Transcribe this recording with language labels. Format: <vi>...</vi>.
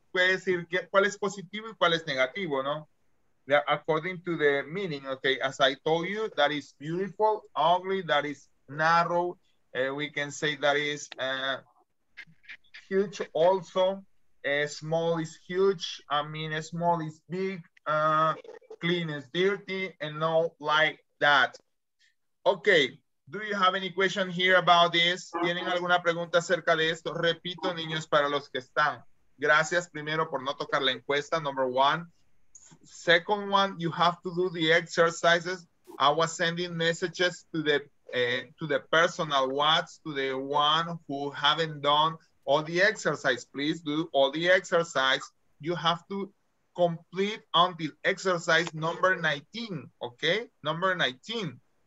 <es>Puede decir que, cuál es positivo y cuál es negativo, ¿no?</es> <en>According to the meaning, okay, as I told you, that is beautiful, ugly, that is narrow, we can say that is huge also, small is huge, I mean, small is big, clean is dirty, and no, like, that. Okay. Do you have any question here about this?</en> <es>¿Tienen alguna pregunta acerca de esto? Repito, niños, para los que están. Gracias, primero, por no tocar la encuesta,</es> <en>number one. Second one, you have to do the exercises. I was sending messages to the personal WhatsApp, to the one who haven't done all the exercise. Please do all the exercise. You have to complete until exercise number 19, okay? Number 19.</en>